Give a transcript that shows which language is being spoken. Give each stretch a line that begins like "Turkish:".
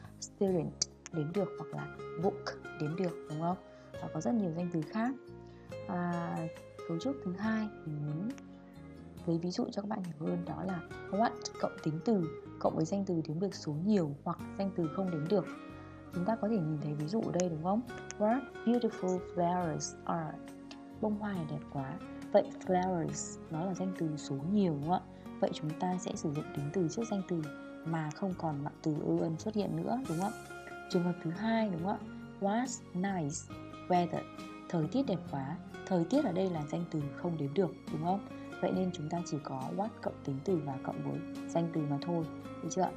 Vietnamese: Student đếm được hoặc là book đếm được, đúng không? Và có rất nhiều danh từ khác. Cấu trúc thứ hai mình muốn lấy ví dụ cho các bạn hiểu hơn đó là what cộng tính từ cộng với danh từ đếm được số nhiều hoặc danh từ không đếm được. Chúng ta có thể nhìn thấy ví dụ ở đây đúng không?
English: What beautiful flowers are.
Vietnamese: Bông hoa này đẹp quá. Vậy flowers nó là danh từ số nhiều đúng không ạ? Vậy chúng ta sẽ sử dụng tính từ trước danh từ mà không còn mạng từ an xuất hiện nữa, đúng không ạ? Trường hợp thứ hai đúng không ạ?
English: What nice weather.
Vietnamese: Thời tiết đẹp quá. Thời tiết ở đây là danh từ không đếm được, đúng không? Vậy nên chúng ta chỉ có what cộng tính từ và cộng với danh từ mà thôi, được chưa?